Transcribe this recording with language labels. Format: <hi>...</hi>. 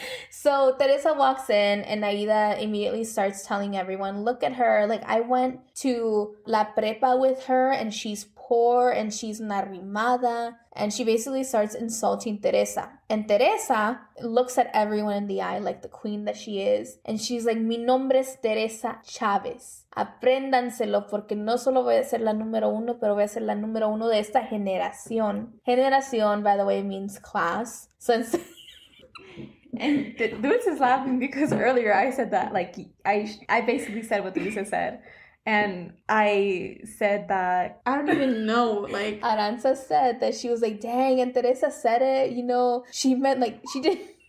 <en>So Teresa walks in and Aida immediately starts telling everyone, look at her, like, I went to</en> <es>la prepa</es> <en>with her and she's poor and she's</en> <es>una arrimada.</es> <en>And she basically starts insulting Teresa. And Teresa looks at everyone in the eye like the queen that she is. And she's like,</en> <es>mi nombre es Teresa Chavez. Apréndanselo porque no solo voy a ser la número uno, pero voy a ser la número uno de esta generación.</es> <en>Generación, by the way, means class. So it's... And Luis is laughing because earlier I said that, like, I basically said what Luisa said. And I said that, I don't even know, like... Aranza said that she was like, dang, and Teresa said it, you know, she meant, like, she didn't...</en>